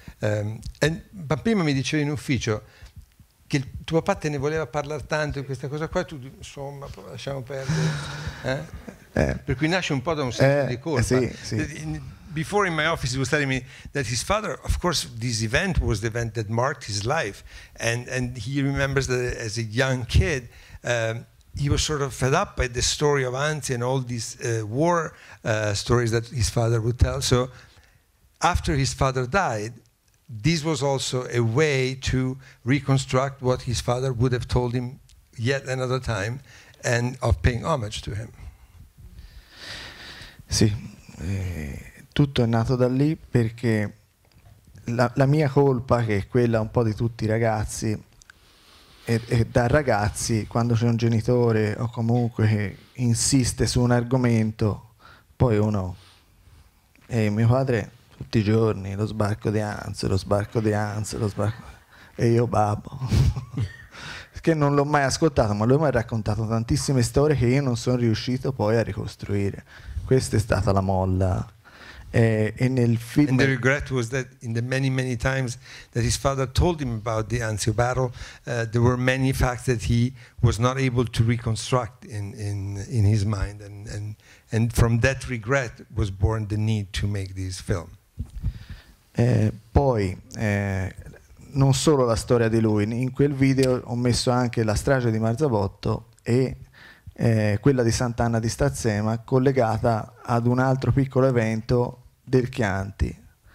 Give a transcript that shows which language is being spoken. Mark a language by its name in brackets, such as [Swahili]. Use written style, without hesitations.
[Italian] Ma prima mi dicevi in ufficio che il tuo papà te ne voleva parlare tanto di questa cosa qua, tu insomma lasciamo perdere. Per cui nasce un po' da un senso di colpa. [English] Before in my office he was telling me that his father, of course, this event was the event that marked his life, and he remembers that as a young kid he was sort of fed up by the story of Anzio and all these war stories that his father would tell. So after his father died, this was also a way to reconstruct what his father would have told him yet another time, and of paying homage to him. [Italian] Sì, tutto è nato da lì, perché la mia colpa, che è quella un po' di tutti i ragazzi, è da ragazzi, quando c'è un genitore o comunque che insiste su un argomento, poi uno, e mio padre tutti i giorni, lo sbarco di Anzio, lo sbarco di Anzio, lo sbarco, e io babbo, che non l'ho mai ascoltato, ma lui mi ha raccontato tantissime storie che io non sono riuscito poi a ricostruire. Questa è stata la molla. E nel film. [English] And the regret was that in the many, many times that his father told him about the Anzio battle, there were many facts that he was not able to reconstruct in his mind. And from that regret was born the need to make this film. [Italian] Non solo la storia di lui, in quel video ho messo anche la strage di Marzabotto e quella di Sant'Anna di Stazzema, collegata ad un altro piccolo evento del Chianti.